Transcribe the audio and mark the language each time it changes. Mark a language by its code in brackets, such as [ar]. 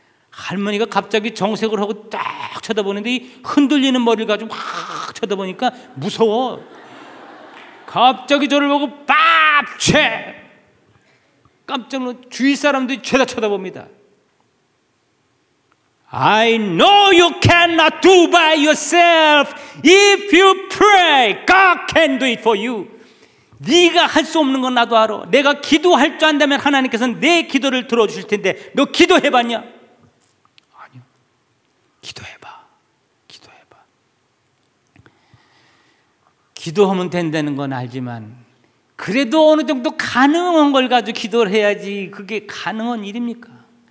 [ko] 할머니가 갑자기 정색을 하고 딱 쳐다보는데 이 흔들리는 머리를 가지고 확 쳐다보니까 무서워. 갑자기 저를 보고 밥채! 깜짝 놀라 주위 사람들이 죄다 쳐다봅니다. [en] I know you cannot do by yourself. If you pray, God can do it for you. [ko] 네가 할 수 없는 건 나도 알아. 내가 기도할 줄 안다면 하나님께서는 내 기도를 들어주실 텐데 너 기도해봤냐? 아니요. 기도해봐. 기도해봐. 기도하면 된다는 건 알지만 그래도 어느 정도 가능한 걸 가지고 기도를 해야지 그게 가능한 일입니까?